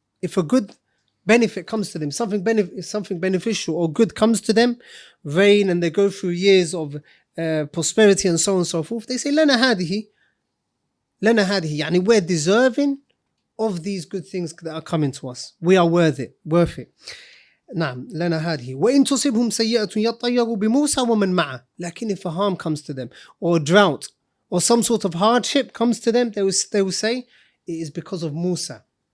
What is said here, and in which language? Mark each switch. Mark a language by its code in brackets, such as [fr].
[en] If a good benefit comes to them, something beneficial or good comes to them, rain, and they go through years of prosperity and so on and so forth, they say, [ar] لَنَا هَذِهِ لَنَا هَذِهِ. [en] يعني we're deserving of these good things that are coming to us. We are worth it. [ar] نعم لنا هذه وإن تصبهم سيئة يطيروا بموسى ومن معه. [en] لكن if a harm comes to them, or a drought, or some sort of hardship comes to them, they will say it is because of Musa.